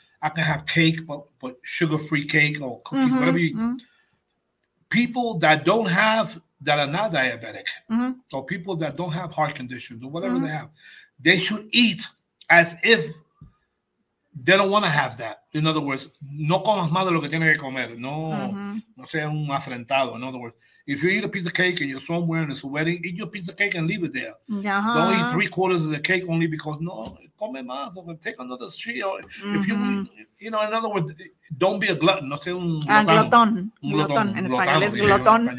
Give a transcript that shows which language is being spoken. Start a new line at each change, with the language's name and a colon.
English: I can have cake, but sugar-free cake or cookie, mm-hmm, whatever you eat. Mm-hmm. People that don't have, that are not diabetic, mm-hmm. or people that don't have heart conditions or whatever mm-hmm. they have, they should eat as if they don't want to have that. In other words,
Spanish: no comas más de lo que tienes que comer. No, mm-hmm. no sea un afrentado.
English: In other words, if you eat a piece of cake and you're somewhere and it's a wedding, eat your piece of cake and leave it there. Uh-huh. Don't eat 3/4 of the cake only because,
Spanish: no, come más,
English: take another sheet. Mm-hmm. If you know, in other words, don't be a glutton.
Spanish: No sé, glutton. En español es glutton.